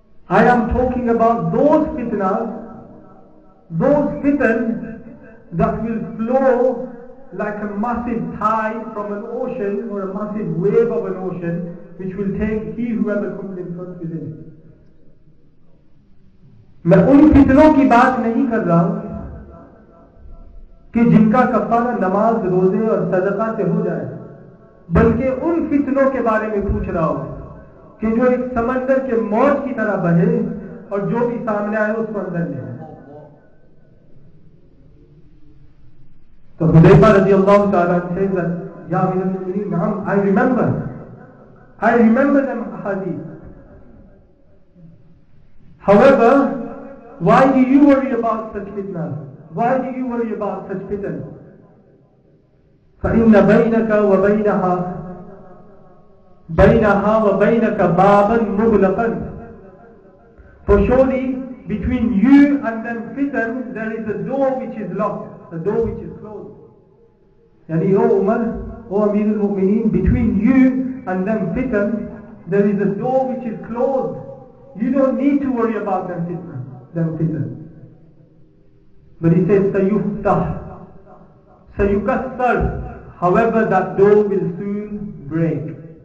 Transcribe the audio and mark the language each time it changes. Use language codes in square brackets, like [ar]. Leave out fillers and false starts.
[en] I am talking about those fitnas that will flow like a massive tide from an ocean or a massive wave of an ocean which will take he whoever comes in front within it. [hi] मैं उन फितनों की बात नहीं कर रहा हूं कि जिनका कफारा नमाज रोजे और सदका से हो जाए बल्कि उन फितनों के बारे में पूछ रहा हूं कि जो एक समंदर के मौज की तरह बहे और जो भी सामने आए उस पर डर जाए [en] तो हुदैबा [ar] رضی اللہ تعالی عنہ [en] says that ya amir al mu'minin ma'am I remember them hadith however why do you worry about such fitna why do you worry about such fitna [ar] فَإِنَّ بَيْنَكَ وَبَيْنَهَا بَيْنَهَا وَبَيْنَكَ بَابًا مُغْلَقًا [en] For surely, between you and them fitan, there is a door which is locked, a door which is closed. [ar] يعني [en] O Umar, O Amir al-Mu'mineen, between you and them fitan, there is a door which is closed. You don't need to worry about them fitan. But he says, [ar] سَيُفْتَحْ سَيُكَسَّرْ [en] However, that door will soon break.